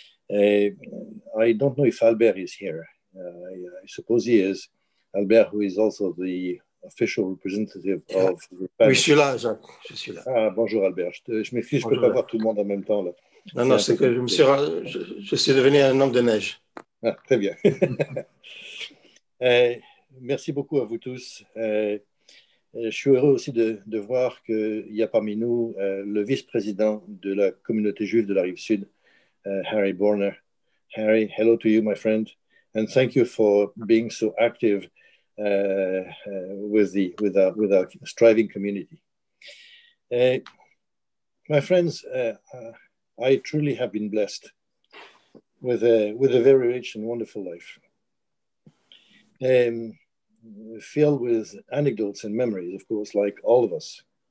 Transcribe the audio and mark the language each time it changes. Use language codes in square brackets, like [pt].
[en] I don't know if Albert is here. I suppose he is. Albert, who is also the official representative of [fr] Paris. Oui, je suis là. Ah, bonjour, Albert. Je m'excuse, je ne peux pas voir tout le monde en même temps. Là. Non, c'est que je suis devenu un homme de neige. Ah, très bien. merci beaucoup à vous tous. Je suis heureux aussi de voir qu'il y a parmi nous le vice-président de la communauté juive de la Rive-Sud, Harry Borner. [en] Harry, hello to you, my friend. And thank you for being so active with our striving community. My friends, I truly have been blessed with a very rich and wonderful life, filled with anecdotes and memories, of course, like all of us.